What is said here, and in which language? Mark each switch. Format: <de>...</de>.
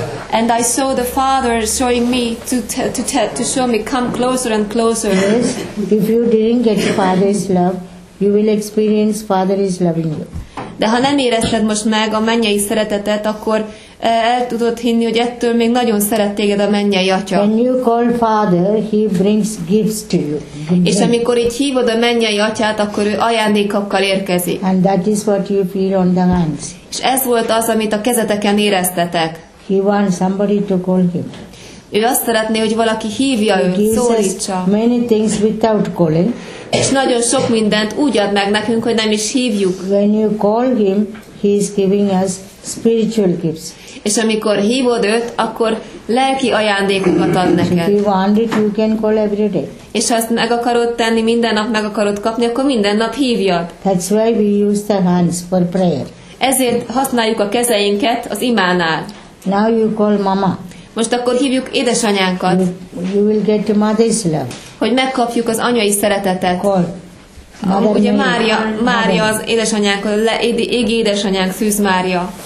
<en>And I saw the father showing me to show me come closer and closer. Yes, if you didn't get father's love, you will experience father is loving you.</en> <hu>De ha nem érezted most meg a mennyei szeretetet, akkor el tudod hinni, hogy ettől még nagyon szeret téged a mennyei atya.</hu> <en>When you call father, he brings gifts to you.</en> <hu>És amikor így hívod a mennyei atyát, akkor ő ajándékokkal érkezik.</hu> <en>And that is what you feel on the hands.</en> <hu>És ez volt az, amit a kezeteken éreztetek.</hu> <en>He wants somebody to call him.</en> <hu>Ő azt szeretné, hogy valaki hívja őt, szólítsa.</hu> <en>Many things without calling.</en> <hu>És nagyon sok mindent úgy ad meg nekünk, hogy nem is hívjuk.</hu> <en>When you call him, he is giving us spiritual gifts.</en> <hu>És amikor hívod őt, akkor lelki ajándékokat ad neked.</hu> <en>If you want it, you can call every day.</en> <hu>És ha ezt meg akarod tenni, minden nap meg akarod kapni, akkor minden nap hívjad.</hu> <en>That's why we use the hands for prayer.</en> <hu>Ezért használjuk a kezeinket az imánál.</hu> <en>Now you call mama.</en> <hu>Most akkor hívjuk édesanyánkat.</hu> <en>You will get mother's love.</en> <hu>Hogy megkapjuk az anyai szeretetet.</hu> <en>Call.</en> <hu>Ugye Mária az édesanyánk, az égi édesanyánk, Szűz Mária.</hu>